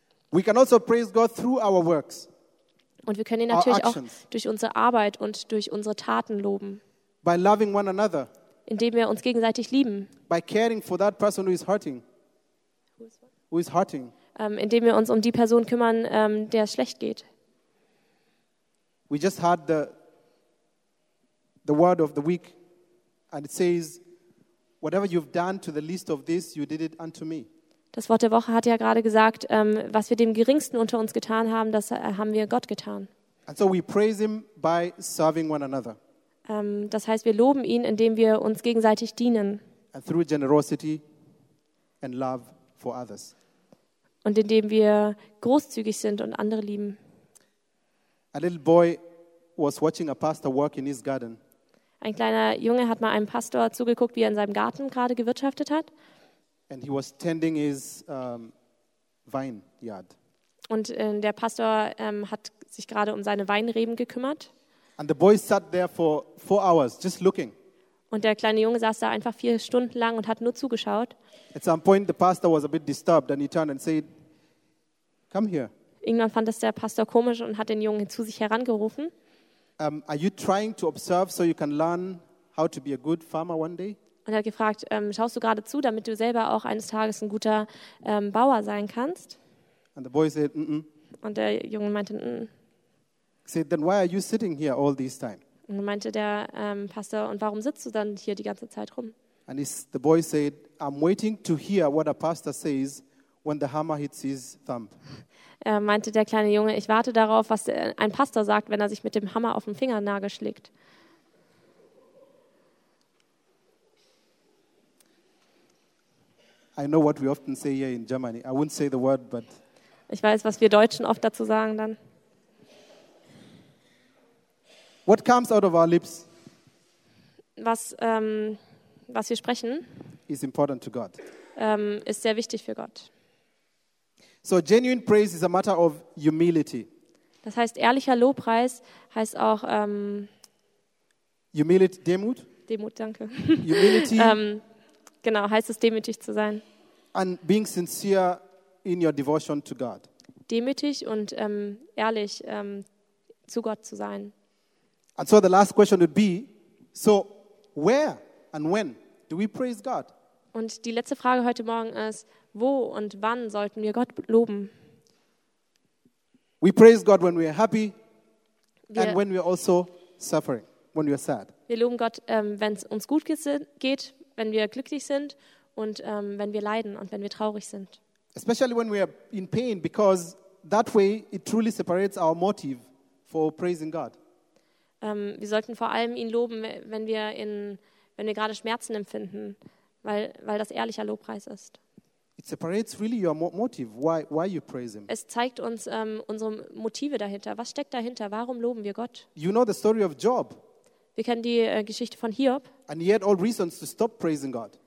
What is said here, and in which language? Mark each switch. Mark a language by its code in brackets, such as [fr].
[en] We can also praise God through our works. [de] Und wir können ihn natürlich auch durch unsere Arbeit und durch unsere Taten loben. [en] By loving one another. [de] Indem wir uns gegenseitig lieben. [en] By caring for that person who is hurting. Who is hurting. [de] Indem wir uns um die Person kümmern, der es schlecht geht. [en] We just had the word of the week, and it says, whatever you've done to the least of these, you did it unto me. [de] Das Wort der Woche hat ja gerade gesagt, was wir dem Geringsten unter uns getan haben, das haben wir Gott getan. [en] And so we praise him by serving one another. [de] Das heißt, wir loben ihn, indem wir uns gegenseitig dienen. [en] And through generosity and love for others. [de] Und indem wir großzügig sind und andere lieben. [en] A little boy was watching a pastor work in his garden. [de] Ein kleiner Junge hat mal einem Pastor zugeguckt, wie er in seinem Garten gerade gewirtschaftet hat. [en] And he was tending his vineyard. [de] Und der Pastor hat sich gerade um seine Weinreben gekümmert. [en] And the boy sat there for 4 hours just looking. [de] Und der kleine Junge saß da einfach 4 Stunden lang und hat nur zugeschaut. [en] At some point the pastor was a bit disturbed and he turned and said, "Come here." [de] Irgendwann fand das der Pastor komisch und hat den Jungen zu sich herangerufen. [en] Are you trying to observe so you can learn how to be a good farmer one day? [de] Und er hat gefragt, schaust du gerade zu, damit du selber auch eines Tages ein guter Bauer sein kannst? [en] And the boy said, mm-mm. [de] Und der Junge meinte, mm. [en] Said, then why are you sitting here all this time? [de] Und dann meinte der Pastor, und warum sitzt du dann hier die ganze Zeit rum? [en] And the boy said, I'm waiting to hear what a pastor says when the hammer hits his thumb. [de] Meinte der kleine Junge, ich warte darauf, was ein Pastor sagt, wenn er sich mit dem Hammer auf den Fingernagel schlägt. [en] I know what we often say here in Germany. I wouldn't say the word, but [de] ich weiß, was wir Deutschen oft dazu sagen dann. [en] What comes out of our lips? [de] Was wir sprechen, [en] is important to God. [de] Ist sehr wichtig für Gott. [en] So genuine praise is a matter of humility. [de] Das heißt, ehrlicher Lobpreis heißt auch [en] Humility, Demut. [de] Demut, danke. [en] Humility. [de] Genau, heißt es, demütig zu sein. [en] And being sincere in your devotion to God. [de] Demütig und ehrlich zu Gott zu sein. [en] And so the last question would be, so where and when do we praise God? [de] Und die letzte Frage heute Morgen ist, wo und wann sollten wir Gott loben? [en] We praise God when we are happy and when we are also suffering, when we are sad. [de] Wir loben Gott, wenn es uns gut geht, wenn wir glücklich sind und wenn wir leiden und wenn wir traurig sind. [en] Especially when we are in pain, because that way it truly separates our motive for praising God. [de] Wir sollten vor allem ihn loben, wenn wir gerade Schmerzen empfinden, weil das ehrlicher Lobpreis ist. [en] It separates really your motive, why you praise him. [de] Es zeigt uns unsere Motive dahinter. Was steckt dahinter? Warum loben wir Gott? [en] You know the story of Job. [de] Wir kennen die Geschichte von Hiob. [en] And he had all reasons to stop praising God.